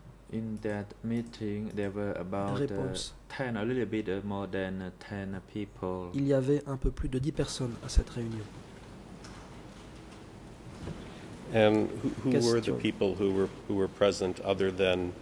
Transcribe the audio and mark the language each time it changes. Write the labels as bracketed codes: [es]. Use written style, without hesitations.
[en] In that meeting, there were about 10, a little bit more than 10 people. [fr] Il y avait un peu plus de 10 personnes à cette réunion. [en] And who were the people who were present other than